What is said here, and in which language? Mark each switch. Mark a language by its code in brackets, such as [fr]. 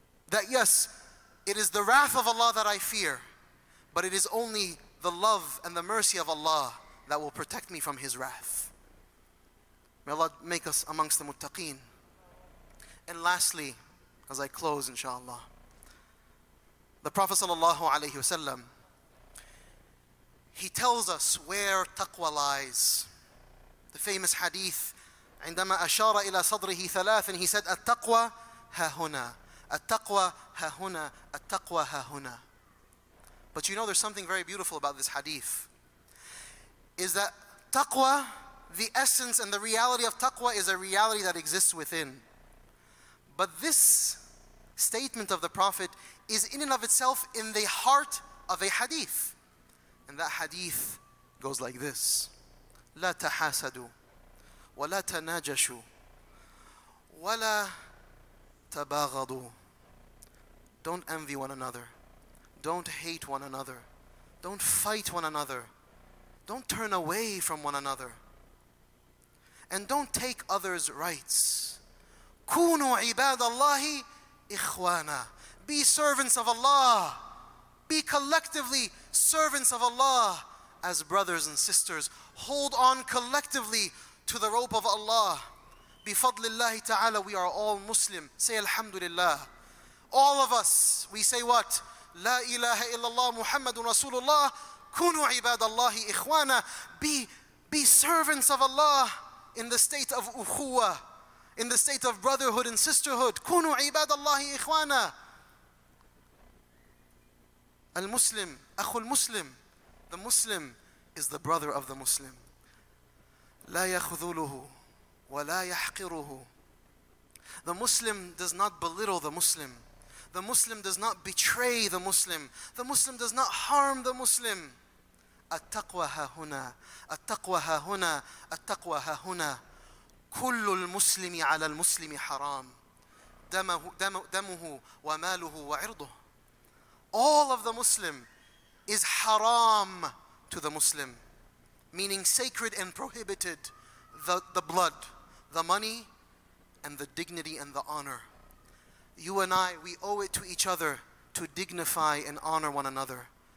[en] That yes, it is the wrath of Allah that I fear, but it is only the love and the mercy of Allah that will protect me from His wrath. May Allah make us amongst the muttaqeen. And lastly, as I close, inshallah, the Prophet sallallahu alayhi wasallam, he tells us where taqwa lies. The famous hadith, [ar] عندما أشار إلى صدره ثلاث, [en] and he said, [ar] التقوى ها هنا, التقوى ها هنا, التقوى ها هنا. [en] But you know, there's something very beautiful about this hadith. Is that taqwa, the essence and the reality of taqwa, is a reality that exists within. But this statement of the Prophet is in and of itself in the heart of a hadith. And that hadith goes like this. [ar] لا تحاسدوا ولا تناجشوا ولا تباغضوا. [en] Don't envy one another. Don't hate one another. Don't fight one another. Don't turn away from one another. And don't take others' rights. [ar] كونوا عباد الله إخوانا. [en] Be servants of Allah. Be collectively servants of Allah as brothers and sisters. Hold on collectively to the rope of Allah. [ar] بفضل الله تعالى, [en] we are all Muslim. Say Alhamdulillah. All of us, we say what? [ar] لا إله إلا الله محمد رسول الله. كونوا عباد الله إخوانا. [en] Be servants of Allah. In the state of ukhuwa, in the state of brotherhood and sisterhood. [ar] Kunu ibadallahi ikhwana. Al Muslim, akhul Muslim. [en] The Muslim is the brother of the Muslim. [ar] La yakhdhuluhu wa la yahqiruhu. [en] The Muslim does not belittle the Muslim. The Muslim does not betray the Muslim. The Muslim does not harm the Muslim. [ar] التقوى ها هنا التقوى ها هنا التقوى ها هنا كل المسلم على المسلم حرام دمه وماله وعرضه. [en] All of the Muslim is haram to the Muslim, meaning sacred and prohibited, the blood, the money, and the dignity and the honor. You and I, we owe it to each other to dignify and honor one another.